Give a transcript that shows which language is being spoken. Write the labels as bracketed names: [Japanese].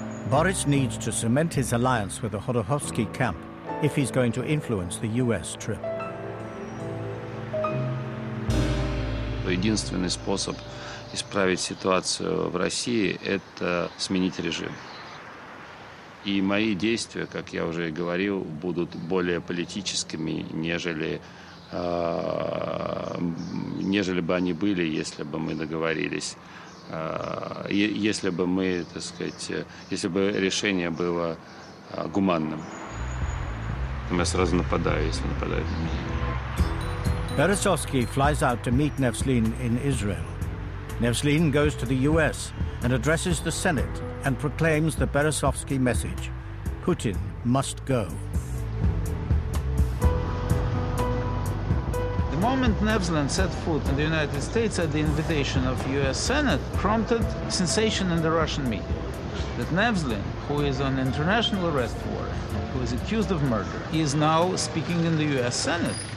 [English] Boris needs to cement his alliance with the Khodorkovsky camp if he's going to influence the US trip. [Russian] Единственный способ исправить ситуацию в России – это сменить режим. И мои действия, как я уже и говорил, будут более политическими, нежели бы они были, если бы мы договорились. Если бы мы, так сказать, если бы решение было гуманным. Я сразу нападаю, если нападают на меня. [English] Berezovsky flies out to meet Nevslin in Israel. Nevslin goes to the US and addresses the Senate and proclaims the Berezovsky message. Putin must go. The moment Nevslin set foot in the United States at the invitation of US Senate prompted sensation in the Russian media that Nevslin, who is on international arrest warrant, who is accused of murder, is now speaking in the US Senate.